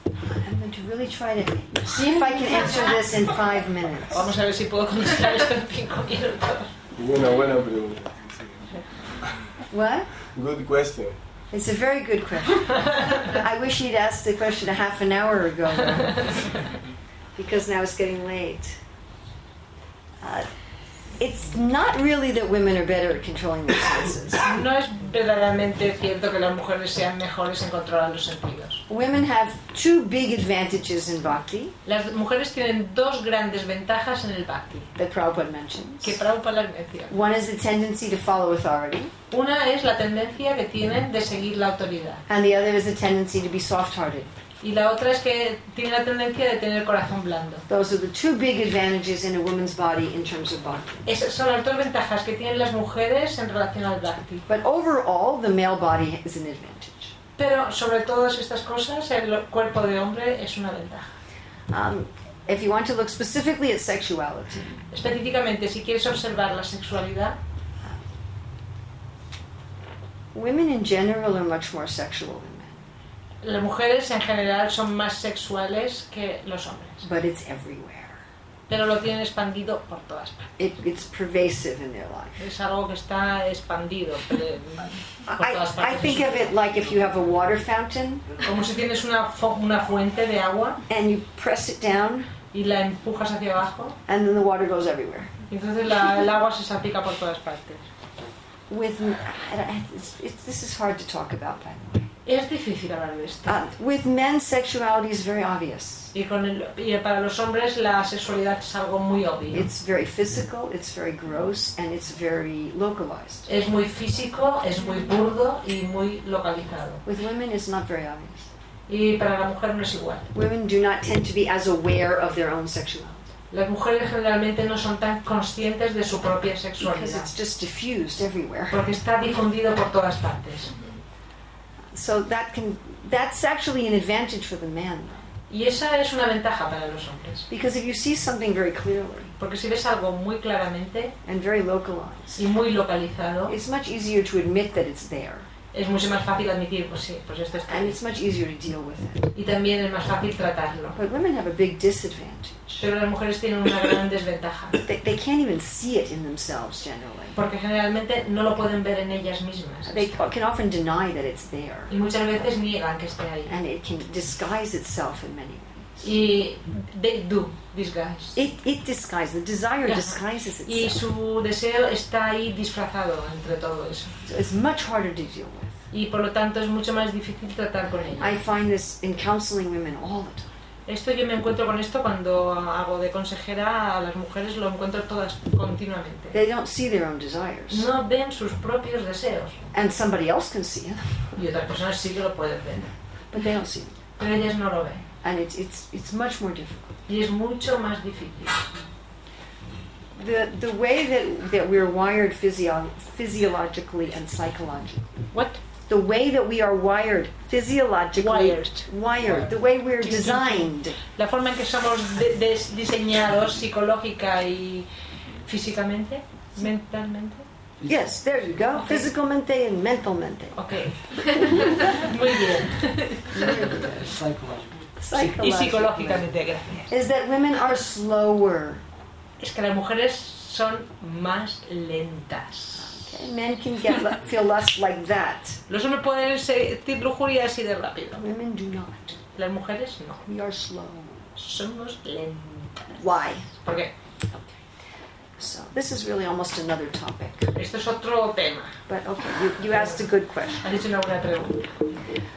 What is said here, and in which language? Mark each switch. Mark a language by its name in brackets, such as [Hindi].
[English] I'm going to really try to see if I can answer this in 5 minutes. [Spanish] Vamos a ver si puedo contestar esto en 5 minutos. Buena pregunta. [English] What? Good question. It's a very good question. I wish he'd asked the question a half an hour ago, because now it's getting late. It's not really that women are better at controlling their senses. [Spanish] No es verdaderamente cierto que las mujeres sean mejores en controlar los sentidos. [English] Women have two big advantages in bhakti. [Spanish] Las mujeres tienen dos grandes ventajas en el bhakti. [English] That Prabhupada mentions. [Spanish] Que Prabhupada las menciona. [English] One is the tendency to follow authority. [Spanish] Una es la tendencia que tienen de seguir la autoridad. [English] And the other is the tendency to be soft-hearted. [Spanish] Y la otra es que tiene la tendencia de tener el corazón blando. [English] Those are the two big advantages in a woman's body in terms of bhakti. [Spanish] Esas son las dos ventajas que tienen las mujeres en relación al bhakti. [English] But overall, the male body is an advantage. [Spanish] Pero sobre todas estas cosas, el cuerpo de hombre es una ventaja. [English] If you want to look specifically at sexuality. [Spanish] Específicamente, si quieres observar la sexualidad. [English] Women in general are much more sexual than. [Spanish] Las mujeres en general son más sexuales que los hombres. [English] But it's everywhere. [Spanish] Pero lo tienen expandido por todas partes. [English] It's pervasive in their life. [Spanish] Es algo que está expandido por todas partes. [English] I think of it like if you have a water fountain. [Spanish] Como si tienes una fuente de agua. [English] And you press it down. [Spanish] Y la empujas hacia abajo. [English] And then the water goes everywhere. [Spanish] Y entonces el agua se salpica por todas partes. [English] This is hard to talk about, by the way. [Spanish] Es difícil hablar de esto. [English] With men, sexuality is very obvious. [Spanish] Y para los hombres la sexualidad es algo muy obvio. [English] It's very physical, it's very gross, and it's very localized. [Spanish] Es muy físico, es muy burdo y muy localizado. [English] With women, it's not very obvious. [Spanish] Y para la mujer no es igual. [English] Women do not tend to be as aware of their own sexuality. [Spanish] Las mujeres generalmente no son tan conscientes de su propia sexualidad. [English] Because it's just diffused everywhere. [Spanish] Porque está difundido por todas partes. [English] So that's actually an advantage for the men. [Spanish] Y esa es una ventaja para los hombres. [English] Because if you see something very clearly, [Spanish] porque si ves algo muy claramente, [English] and very localized, [Spanish] y muy localizado, [English] it's much easier to admit that it's there. [Spanish] Es mucho más fácil admitir, pues sí, pues esto está. [English] And it's much easier to deal with it. [Spanish] Y también es más fácil tratarlo. [English] But women have a big disadvantage. [Spanish] Pero las mujeres tienen una gran desventaja. [English] They can't even see it in themselves generally. [Spanish] Porque generalmente no lo pueden ver en ellas mismas. [English] They can often deny that it's there. [Spanish] Y muchas veces niegan que esté ahí. [English] And it can disguise itself in many ways. [Spanish] Y [English] they do disguise. It disguises. The desire disguises itself. [Spanish] Y su deseo está ahí disfrazado entre todo eso. [English] So it's much harder to deal with. [Spanish] Y por lo tanto es mucho más difícil tratar con ella. [English] I find this in counseling women all the time. [Spanish] Esto yo me encuentro con esto cuando hago de consejera a las mujeres, lo encuentro todas continuamente. [English] They don't see their own desires. [Spanish] No ven sus propios deseos. [English] And somebody else can see it. [Spanish] Y otras personas sí que lo pueden ver. [English] But they don't see it. [Spanish] Pero ellas no lo ven. [English] And it's much more difficult. [Spanish] Y es mucho más difícil. [English] The way that we're wired physiologically and psychologically. What? The way that we are wired physiologically. Wired. The way we're designed. [Spanish] La forma en que somos diseñados psicológica y físicamente, mentalmente. [English] Yes, there you go. Okay. Physical mente and mental mente. [Spanish] Okay. Muy bien. [English] Psychologically. [Spanish] Y psicológicamente, gracias. [English] Is that women are slower. [Spanish] Es que las mujeres son más lentas. [English] Okay, men can get feel lust like that. [Spanish] Los hombres pueden sentir lujuria así de rápido. [English] Women do not. [Spanish] Las mujeres no. [English] We are slow. [Spanish] Somos lentas. [English] Why? [Spanish] ¿Por qué? [English] So this is really almost another topic. [Spanish] Esto es otro tema. [English] But okay, you asked a good question. [Spanish] Has hecho una buena pregunta.